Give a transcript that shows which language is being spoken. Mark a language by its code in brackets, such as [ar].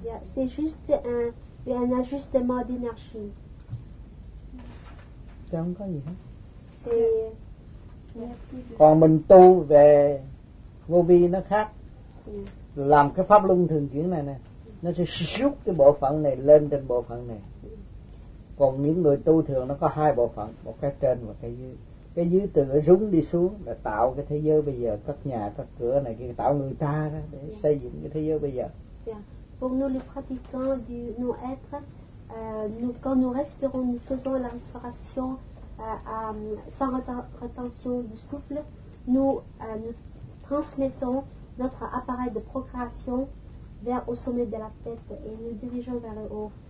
[fr] C'est juste un ajustement d'énergie. [vi] Chẳng có gì hết. Còn mình tu về vô vi nó khác. Làm cái pháp luân thường chuyển này nè. nó sẽ rút cái bộ phận này lên trên bộ phận này. Còn những người tu thường nó có hai bộ phận, một cái trên và cái dưới. Cái dưới từ nó rúng đi xuống là tạo cái thế giới bây giờ, các nhà, các cửa này kia, tạo người ta đó để xây dựng cái thế giới bây giờ. [fr] Pour nous les pratiquants du nous être, nous, quand nous respirons, nous faisons la respiration sans rétention du souffle, nous, nous transmettons notre appareil de procréation vers au sommet de la tête et nous dirigeons vers le haut.